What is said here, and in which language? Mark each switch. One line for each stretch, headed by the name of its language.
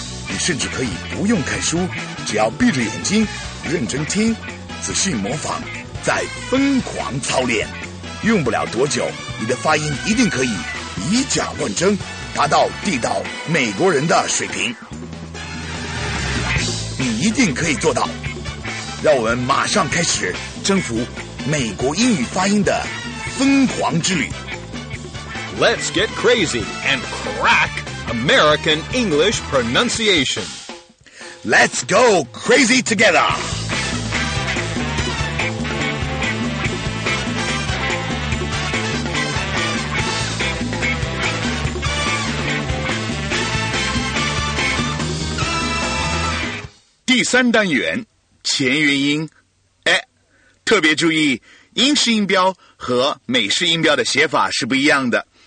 Chinese: 你甚至可以不用看书只要闭着眼睛认真听仔细模仿再疯狂操练用不了多久你的发音一定可以以假乱真达到地道美国人的水平你一定可以做到让我们马上开始征服美国英语发音的疯狂之旅
English: Let's get crazy and crack American English pronunciation Let's go crazy together
Chinese: 第三单元前元音哎特别注意英式音标和美式音标的写法是不一样的